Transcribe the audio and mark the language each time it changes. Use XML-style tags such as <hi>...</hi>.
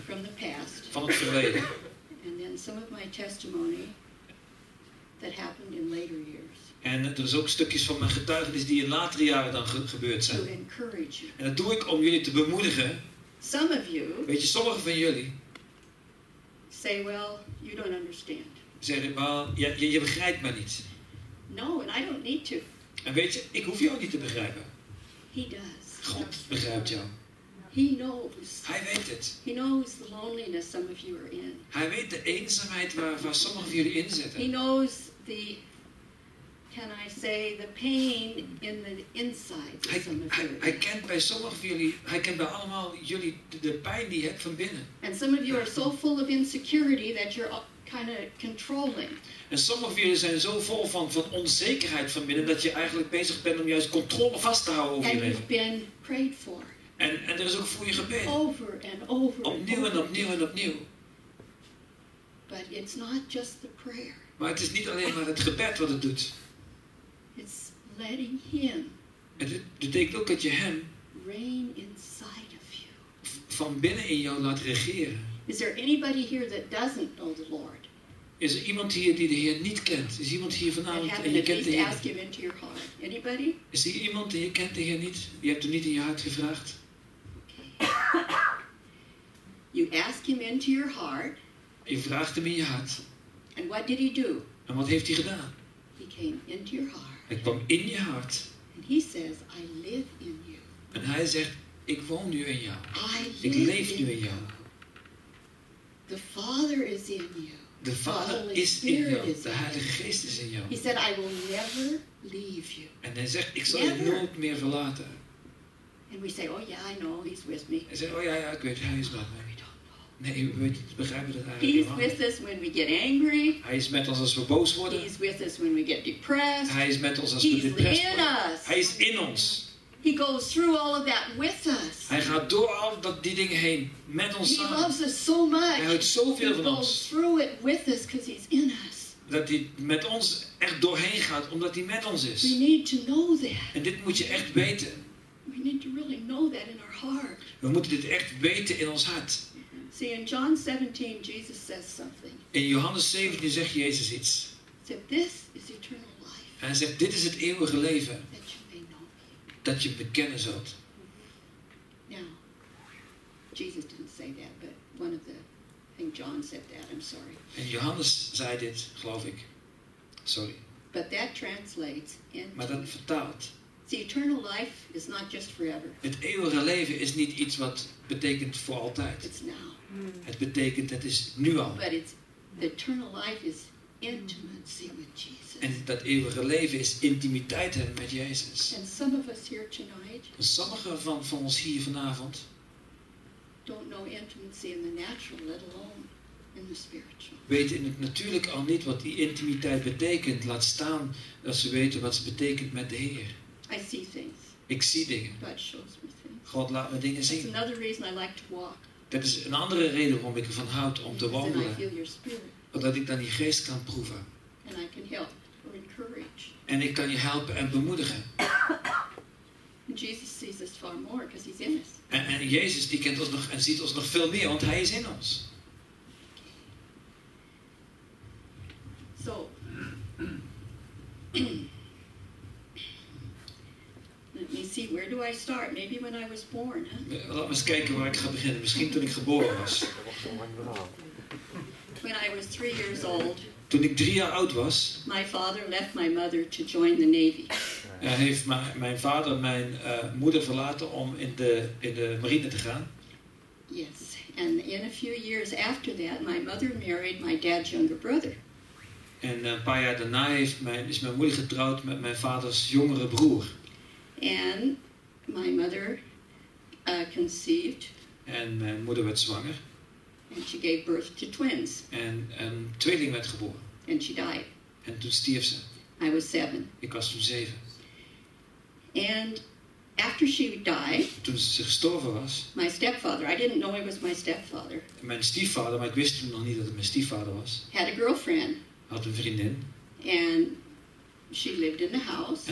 <en>From the past.</en> <nl>Van het verleden.</nl> <en>And then some of my testimony that happened in later years.</en> <nl>En er is ook stukjes van mijn getuigenis die in latere jaren dan gebeurd zijn.</nl> <en>To encourage you.</en> <nl>En dat doe ik om jullie te bemoedigen.</nl> <en>Some of you.</en> <nl>Weet je, sommigen van jullie.</nl> <en>Say, well, you don't understand.</en> <nl>zei hij, man, je begrijpt me niet.</nl> <en>No, and I don't need to.</en> <nl>En weet je, ik hoef jou niet te begrijpen.</nl> <en>He does.</en> <nl>God begrijpt jou.</nl> <en>He knows.</en> <nl>Hij weet het.</nl> <en>He knows the loneliness some of you are in.</en> <nl>Hij weet de eenzaamheid waar sommigen van jullie in zitten.</nl> <en>He knows the, can I say, the pain in the inside of some of you.</en> <nl>Hij kent bij sommigen van jullie, hij kent bij allemaal jullie de pijn die je hebt van binnen.</nl> <en>And some of you are so full of insecurity that you're kind of controlling.</en> <nl>En sommigen van jullie zijn zo vol van onzekerheid van binnen dat je eigenlijk bezig bent om juist controle vast te houden over</nl> <en>and</en> <nl>je leven.</nl> <en>And you've been prayed for.</en> <nl>En er is ook voor je gebeden.</nl> <en>Over and over.</en> <nl>Opnieuw en opnieuw en opnieuw.</nl> <en>But it's not just the prayer.</en> <nl>Maar het is niet alleen maar het gebed wat het doet.</nl> <en>It's letting him.</en> <nl>En het betekent ook dat je hem.</nl> <en>Reign inside of you.</en> <nl>Van binnen in jou laat regeren.</nl> <en>Is there anybody here that doesn't know the Lord?</en> <nl>Is er iemand hier die de Heer niet kent? Is iemand hier vanavond en je kent de Heer?</nl> <en>Ask him into your heart. Anybody?</en> <nl>Is er iemand die je kent de Heer niet? Je hebt hem niet in je hart gevraagd?</nl> <en>You ask him into your heart.</en> <nl>Je vraagt hem in je hart.</nl> <en>And what did he do?</en> <nl>En wat heeft hij gedaan?</nl> <en>He came into your heart.</en> <nl>Hij kwam in je hart.</nl> <en>And he says, I live in you.</en> <nl>En hij zegt, ik woon nu in jou. Ik leef nu in jou.</nl> <en>The Father is in you.</en> <nl>De Vader is in jou. De Heilige Geest is in jou.</nl> <en>He said, I will never leave you.</en> <nl>En hij zegt, ik zal je nooit meer verlaten.</nl> <en>And we say, oh yeah, I know, he's with me.</en> <nl>Hij zegt, oh ja, ik weet, hij is bij mij.</nl> <en>We don't know.</en> <nl>Nee, we weten, begrijpen dat eigenlijk helemaal.</nl> <en>He's with us when we get angry.</en> <nl>Hij is met ons als we boos worden.</nl> <en>He's with us when we get depressed.</en> <nl>Hij is met ons als we depressed worden.</nl> <en>He's in us.</en> <nl>Hij is in ons.</nl> <en>He goes through all of that with us.</en> <nl>Hij gaat door al die dingen heen, met ons samen.</nl> <en>He loves us so much.</en> <nl>Hij houdt zoveel van ons.</nl> <en>He goes through it with us because he's in us.</en> <nl>Dat hij met ons echt doorheen gaat, omdat hij met ons is.</nl> <en>We need to know that.</en> <nl>En dit moet je echt weten.</nl> <en>We need to really know that in our heart.</en> <nl>We moeten dit echt weten in ons hart.</nl> <en>See, in John 17, Jesus says something.</en> <nl>In Johannes 17 zegt Jezus iets.</nl> <en>He said, this is eternal life.</en> <nl>En hij zegt, dit is het eeuwige leven.</nl> <en>That you may know me.</en> <nl>Dat je bekennen zult.</nl> <en>Now, Jesus didn't say that, but one of the, I think John said that, I'm sorry.</en> <nl>En Johannes zei dit, geloof ik. Sorry.</nl> <en>But that translates into.</en> <nl>Maar dat vertaalt.</nl> <en>The eternal life is not just forever.</en> <nl>Het eeuwige leven is niet iets wat betekent voor altijd.</nl> <en>It's now. Mm.</en> <nl>Het betekent, het is nu al.</nl> <en>But it's, the eternal life is intimacy with Jesus.</en> <nl>En dat eeuwige leven is intimiteit hebben met Jezus.</nl> <en>And some of us here tonight.</en> <nl>En sommigen van ons hier vanavond.</nl> <en>Don't know intimacy in the natural, let alone in the spiritual.</en> <nl>Weten in het natuurlijk al niet wat die intimiteit betekent. Laat staan dat ze weten wat ze betekent met de Heer.</nl> <en>I see things.</en> <nl>Ik zie dingen.</nl> <en>God shows me things.</en> <nl>God laat me dingen zien.</nl> <en>That's another reason I like to walk.</en> <nl>Dat is een andere reden waarom ik ervan houd om te wandelen.</nl> <en>And I feel your spirit.</en> <nl>Omdat ik dan die geest kan proeven.</nl> <en>And I can help or encourage.</en> <nl>En ik kan je helpen en bemoedigen.</nl> <en>Jesus sees us far more because he's in us.</en> <nl>En Jezus die kent ons nog en ziet ons nog veel meer, want hij is in ons.</nl> <en>So. See, where do I start? Maybe when I was born, huh?</en> <nl>Laat me eens kijken waar ik ga beginnen. Misschien toen ik geboren was.</nl> <en>When I was 3 years old.</en> <nl>Toen ik 3 jaar oud was.</nl> <en>My father left my mother to join the Navy.</en> <nl>Heeft mijn vader mijn moeder verlaten om in de marine te gaan.</nl> <en>Yes, and in a few years after that, my mother married my dad's younger brother.</en> <nl>En een paar jaar daarna is mijn moeder getrouwd met mijn vaders jongere broer.</nl> <en>And my mother conceived.</en> <nl>En mijn moeder werd zwanger.</nl> <en>And she gave birth to twins.</en> <nl>En een tweeling werd geboren.</nl> <en>And she died.</en> <nl>En toen stierf ze.</nl> <en>I was 7.</en> <nl>Ik was toen 7.</nl> <en>And after she died.</en> <nl>Toen ze gestorven was.</nl> <en>My stepfather, I didn't know he was my stepfather.</en> <nl>Mijn stiefvader, maar ik wist toen nog niet dat het mijn stiefvader was.</nl> <en>Had a girlfriend.</en> <nl>Had een vriendin.</nl> <en>And she lived in the house.</en>